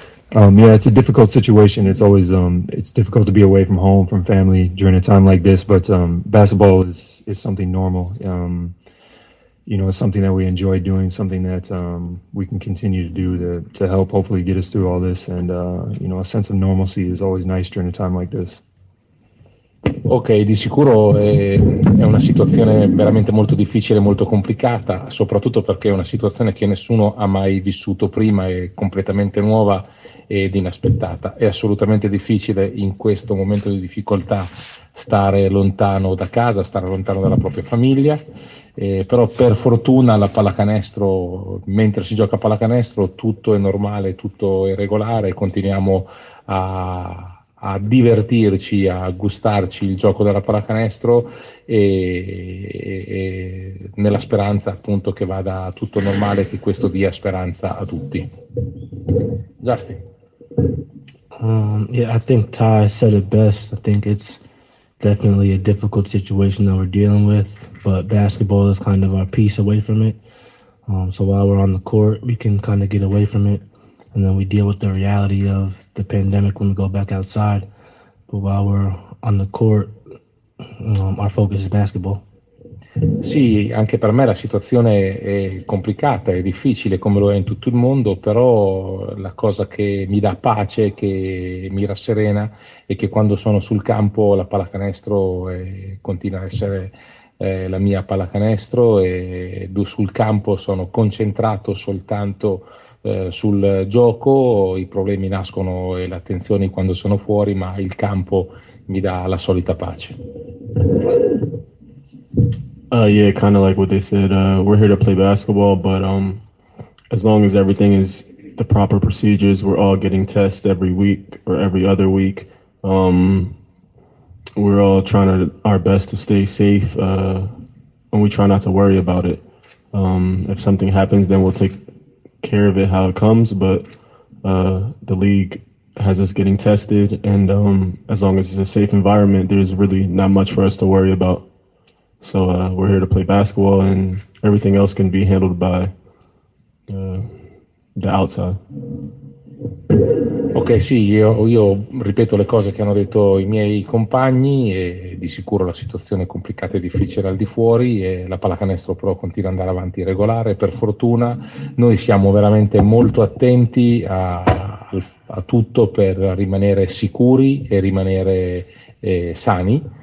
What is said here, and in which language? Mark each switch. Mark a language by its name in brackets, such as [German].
[English] It's a difficult situation. It's always it's difficult to be away from home, from family during a time like this. But basketball is something normal. It's something that we enjoy doing, something that we can continue to do to help hopefully get us through all this. And a sense of normalcy is always nice during a time like this. [Italian] Ok, di sicuro è una situazione veramente molto difficile, molto complicata, soprattutto perché è una situazione che nessuno ha mai vissuto prima, è completamente nuova ed inaspettata. È assolutamente difficile in questo momento di difficoltà stare lontano da casa, stare lontano dalla propria famiglia, però per fortuna la pallacanestro, mentre si gioca a pallacanestro, tutto è normale, tutto è regolare, continuiamo a divertirci, a gustarci il gioco della pallacanestro e nella speranza appunto che vada tutto normale, che questo dia speranza a tutti. [English] Justin. I think Ty said it best. I think it's definitely a difficult situation that we're dealing with, but basketball is kind of our peace away from it. So while we're on the court, we can kind of get away from it, and then we deal with the reality of the pandemic when we go back outside. But while we're on the court, our focus is basketball. [Italian] Sì, anche per me la situazione è complicata, è difficile come lo è in tutto il mondo, però la cosa che mi dà pace, che mi rasserena, è che quando sono sul campo la pallacanestro continua a essere la mia pallacanestro e sul campo sono concentrato soltanto sul gioco, i problemi nascono e le attenzioni quando sono fuori, ma il campo mi dà la solita pace. [English] Yeah, kind of like what they said. We're here to play basketball, but as long as everything is the proper procedures, we're all getting tested every week or every other week. We're all trying our best to stay safe, and we try not to worry about it. If something happens, then we'll take care of it how it comes. But the league has us getting tested, and as long as it's a safe environment, there's really not much for us to worry about. So we're here to play basketball, and everything else can be handled by the outside. [Italian] Ok, sì, io ripeto le cose che hanno detto i miei compagni e di sicuro la situazione è complicata e difficile al di fuori e la pallacanestro però continua ad andare avanti regolare. Per fortuna noi siamo veramente molto attenti a tutto per rimanere sicuri e rimanere sani.